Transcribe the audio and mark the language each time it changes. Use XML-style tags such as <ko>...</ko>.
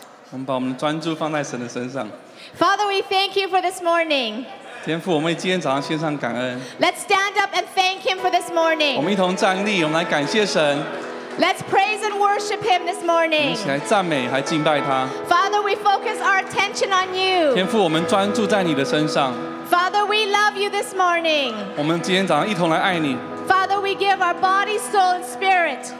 <zh>我们把我们的专注放在神的身上。</zh> <en>Father, we thank you for this morning.</en> <zh>天父，我们今天早上献上感恩。</zh> <en>Let's stand up and thank him for this morning.</en> <zh>我们一同站立，我们来感谢神。</zh> <en>Let's praise and worship him this morning.</en> <zh>我们一起来赞美，还敬拜他。</zh> <en>Father, we focus our attention on you.</en> <zh>天父，我们专注在你的身上。</zh> <en>Father, we love you this morning.</en> <zh>我们今天早上一同来爱你。</zh> <en>Father, we give our body, soul, and spirit.</en>